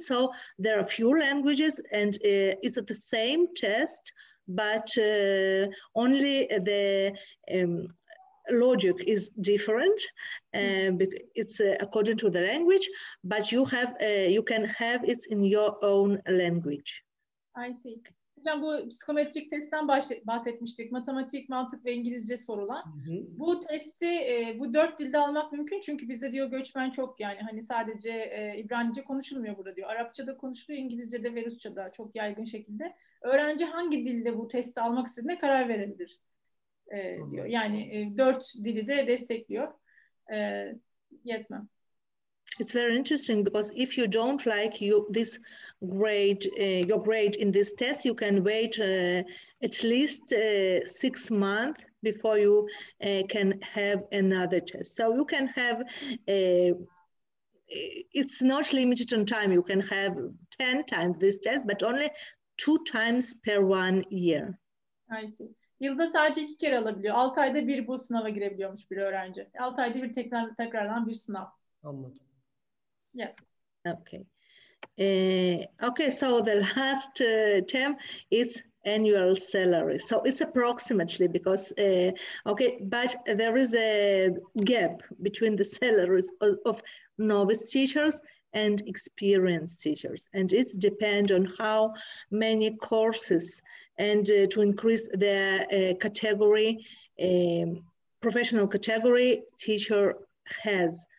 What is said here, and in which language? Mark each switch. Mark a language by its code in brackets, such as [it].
[en] So there are few languages, and it's the same test, but only the logic is different, it's according to the language, but you have you can have it in your own language. I see. [tr] Hocam bu psikometrik testten bahsetmiştik. Matematik, mantık ve İngilizce sorulan. Hı-hı. Bu testi bu dört dilde almak mümkün çünkü bizde diyor göçmen çok, yani hani sadece İbranice konuşulmuyor burada diyor. Arapça da konuşuluyor, İngilizce de ve Rusça da çok yaygın şekilde. Öğrenci hangi dilde bu testi almak istediğine karar verebilir diyor. Yani dört dili de destekliyor. [en] Yes ma'am. It's very interesting because if you don't like this grade, your grade in this test, you can wait at least 6 months before you can have another test. So you can have, it's not limited on time. You can have 10 times this test, but only 2 times per 1 year. I see. [tr] Yılda sadece 2 kere alabiliyor. 6 ayda bir bu sınava girebiliyormuş bir öğrenci. 6 ayda bir tekrarlanan bir sınav. Anladım. [en] Yes. Okay. Okay. So the last term is annual salary. So it's approximately because but there is a gap between the salaries of novice teachers and experienced teachers, and it depends on how many courses and to increase their category, professional category teacher has.